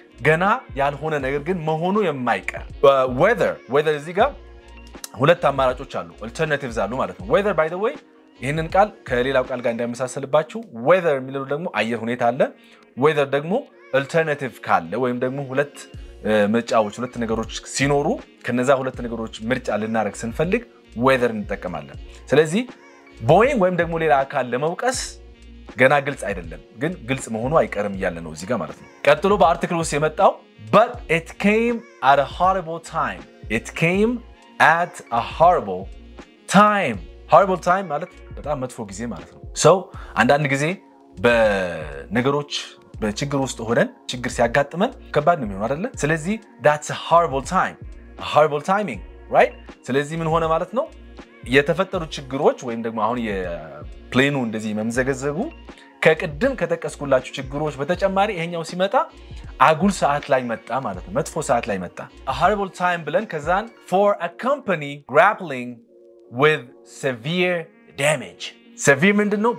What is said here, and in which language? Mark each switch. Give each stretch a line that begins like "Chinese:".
Amharic: ገና ያልሆነ ነገር ግን መሆኑ የማይቀር whether እዚህ ጋር ሁለት አማራጮች አሉ። alternatives አሉ ማለት ነው። whether
English: by the way
Amharic: ይሄንን ቃል ከሌላው ቃል ጋር እንደምሳሰልባችሁ whether የሚለው ደግሞ አየር ሁኔታ አለ። whether ደግሞ alternative ካለ ወይም ደግሞ ሁለት ምርጫዎች ሁለት ነገሮች ሲኖሩ ከነዛ ሁለት ነገሮች ምርጫ ልናረክ سنፈልግ whether እንጠቀማለን። ስለዚህ boeing ወይም ደግሞ ሌላ አካል ለመውቀስ ገና ግልጽ አይደለም። ግን ግልጽ መሆኑ አይቀርም ይላል ነው እዚህ ጋር ማለት ነው። ቀጥሎ በአርቲክል ውስጥ የመጣው
English: but it came at a horrible time. it came at a horrible time.
Amharic: horrible time ማለት በጣም መጥፎ ጊዜ ማለት ነው። so አንዳንድ ጊዜ በነገሮች በችግር ውስጥ ሆነን ችግር ሲያጋጥመን ከባድ ነው የሚሆነው አይደል?
English: ስለዚህ that's a horrible time. a horrible timing, right?
Amharic: ስለዚህ ምን ሆነ ማለት ነው? የተፈጠሩ ችግሮች ወይም ደግሞ አሁን የፕሌኑ እንደዚህ መምዘገዘጉ ከቀድም ከተቀስኩላችሁ ችግሮች በተጨማሪ ይሄኛው ሲመጣ አጉል ሰዓት ላይ መጣ ማለት ነው። መጥፎ ሰዓት ላይ መጣ። a horrible time ብለን ከዛን
English: for a company grappling with severe damage.
Amharic: severe ምንድነው?